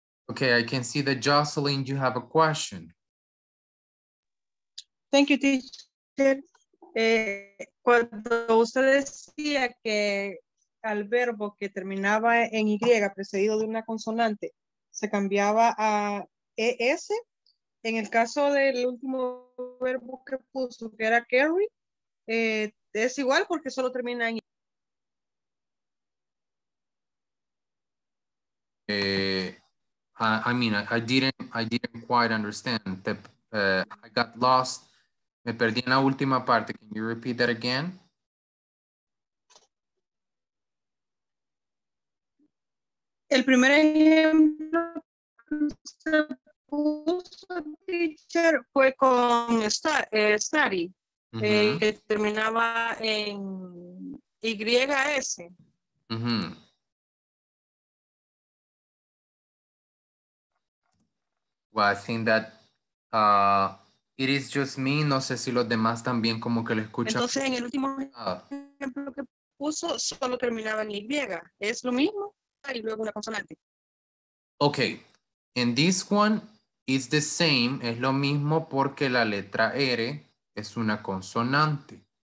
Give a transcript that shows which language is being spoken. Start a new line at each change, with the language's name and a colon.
English: Okay, I can see that Jocelyn, you have a question. Thank you, teacher.
Spanish: Cuando usted decía que al verbo que terminaba en Y precedido de una consonante se cambiaba a ES, en el caso del último verbo que puso, que era carry, es igual porque solo termina en
English: I didn't quite understand. I got lost.
Spanish: Me perdí en la última parte.
English: Can you repeat that again?
Spanish: El primer ejemplo que puso teacher fue con study. Que terminaba en YS. Mm-hmm.
English: Well, I think that it is just me.
Spanish: No sé si los demás también como que lo escuchan. Entonces, en el último ejemplo que puso, solo terminaba en Y. Es lo mismo y luego una consonante.
English: Okay. In this one, it's the same.
Spanish: Es lo mismo porque la letra R es una consonante.